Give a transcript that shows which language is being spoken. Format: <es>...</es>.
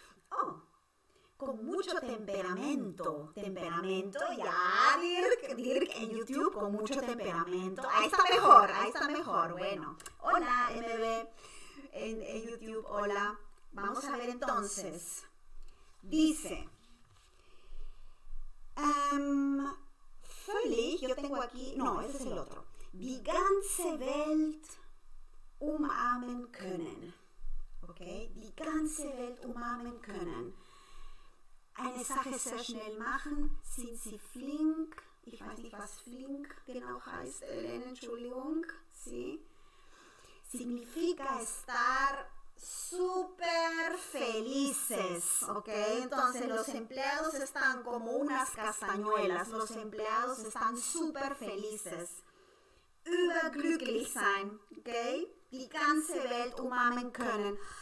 <es>Oh, con mucho temperamento, temperamento, ya, Dirk, en YouTube, con mucho temperamento. Ahí está mejor, bueno. Hola, MB, en YouTube, hola. Vamos a ver entonces. Dice, völlig, yo tengo aquí, no, ese es el otro.</es> <de>Die ganze Welt umarmen können. Ok, die ganze Welt umarmen können. Eine Sache sehr schnell machen, sind sie flink. Ich weiß nicht, was flink genau heißt, Ellen, Entschuldigung.</de> <es>Sí. Significa estar super felices, ¿ok? Entonces los empleados están como unas castañuelas, los empleados están super felices.</es> <de>Überglücklich sein, ¿ok? Die ganze Welt umarmen können.</de>